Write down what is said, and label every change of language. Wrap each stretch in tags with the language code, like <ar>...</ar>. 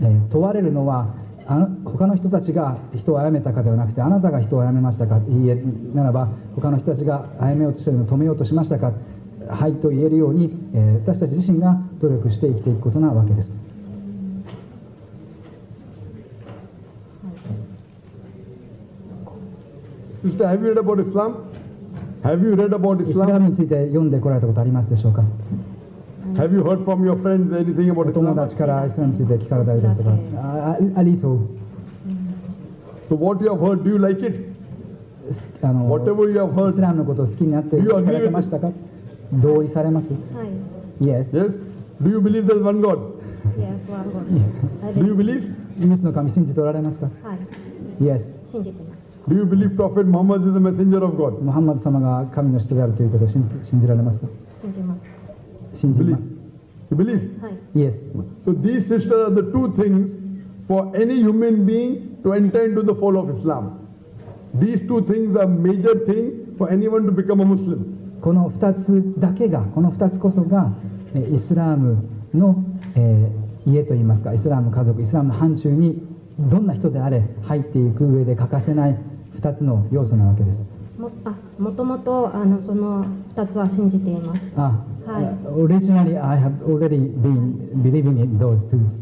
<ja>問われるのはあの他の人たちが人を殺めたかではなくて、あなたが人を殺めましたか、いいえならば他の人たちが殺めようとしているのを止めようとしましたか、はいと言えるように、私たち自身が努力して生きていくことなわけです。</ja> <en>Sister, have you read about Islam? Have you read about Islam?</en> <ja>イスラムについて読んでこられたことありますでしょうか。</ja> <en>Have you heard from your friends anything about Islam?</en> <ja>友達からイスラムについて聞かれたりですとか。</ja> <en>A little. So what you have heard, do you like it? Whatever you have heard,</en> <ja>イスラムのことを好きになって聞かれてましたか。同意されます。はい。</ja> <en>Yes. Yes. Do you believe there's one God? Yes, one God. Do you believe?</en> <ja>イエスの神信じておられますか。はい。</ja> <en>Yes.</en> <ja>信じてます。</ja> <en>Do you believe Prophet Muhammad is the messenger of God?</en> <ja>Muhammad 様が神の使徒であるということを信じられますか。信じます。信じます。</ja> <en>Believe. You believe?</en> <ja>はい。</ja> <en>Yes. So these sisters are the two things for any human being to enter into the fold of Islam. These two things are major thing for anyone to become a Muslim.</en> <ja>この二つだけが、この二つこそがイスラームの、家といいますか、イスラム家族、イスラムの範疇に。どんな人であれ入っていく上で欠かせない2つの要素なわけです。もともとその2つは信じています。あ、はい。</ja> <en>Originally I have already been believing in those two.</en>